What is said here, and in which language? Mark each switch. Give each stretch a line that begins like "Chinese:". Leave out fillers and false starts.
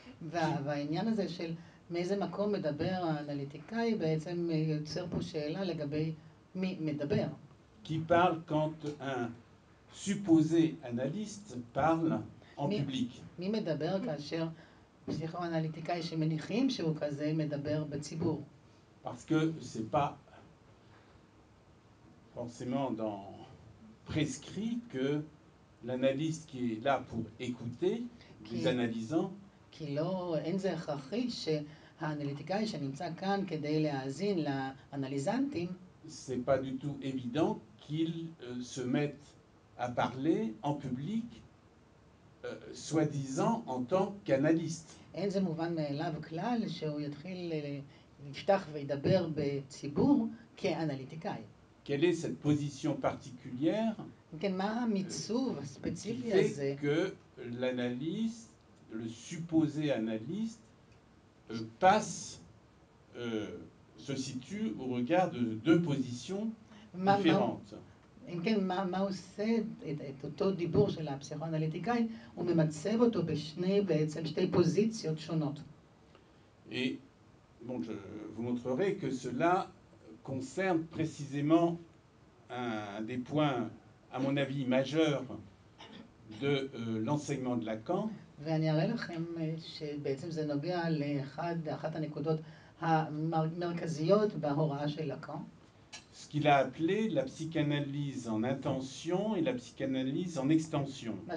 Hebrew: והעניין הזה של מאיזה מקום מדבר האנליטיקאי בעצם יוצר פה שאלה לגבי מי מדבר.
French: Qui parle quand un supposé analyste parle en public.
Hebrew: מי מדבר כאשר פסיכואנליטיקאי שמניחים שהוא כזה מדבר בציבור.
French: Parce que c'est pas forcément dans prescrit que l'analyste qui est là pour écouter les analysants.
Hebrew: כי לא, אין זה הכרחי שהאנליטיקאי שנמצא כאן כדי להאזין לאנליזנטים.
French: C'est pas du tout évident qu'il se mette à parler en public soi-disant en tant qu'analyste.
Hebrew: אין זה מובן מאליו כלל שהוא יתחיל לפתח וידבר בציבור כאנליטיקאי.
French: Quelle est cette position particulière?
Hebrew: כן, מה המיצוב הספציפי הזה?
French: Qui fait que l'analyste, le supposé analyste, passe, se situe au regard de deux positions différentes.
Hebrew: מה עושה את אותו דיבור של הפסיכואנליטיקאי? הוא ממצב אותו בשני, בעצם שתי פוזיציות שונות.
French: Et bon, je vous montrerai que cela concerne précisément un des points, à mon avis, majeurs de l'enseignement de Lacan.
Hebrew: ואני אראה לכם שבעצם זה נוגע לאחת הנקודות המרכזיות בהוראה של לקאן.
French: Ce qu'il a appelé la psychanalyse en intention et la psychanalyse en extension.